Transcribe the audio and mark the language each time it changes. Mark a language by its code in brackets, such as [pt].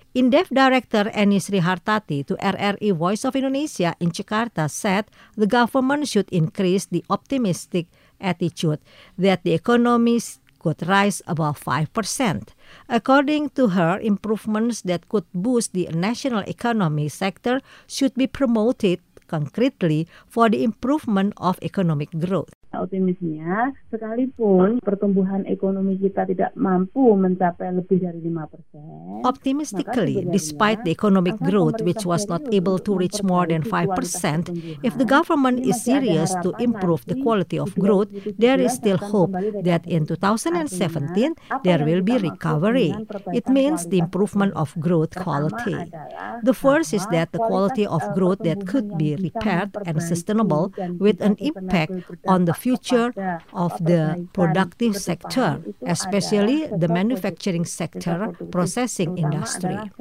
[en] INDEF Director Eni Sri Hartati to RRI Voice of Indonesia in Jakarta said the government should increase the optimistic attitude that the economies could rise above 5%. According to her, improvements that could boost the national economy sector should be promoted concretely for the improvement of economic growth. [id] Optimisnya, sekalipun pertumbuhan ekonomi kita tidak mampu mencapai lebih dari 5%. [en] Optimistically, despite the economic growth which was not able to reach more than 5%, if the government is serious to improve the quality of growth, there is still hope that in 2017 there will be recovery. It means the improvement of growth quality. The first is that the quality of growth that could be repaired and sustainable with an impact on the future of the productive sector, especially the manufacturing sector, processing industry.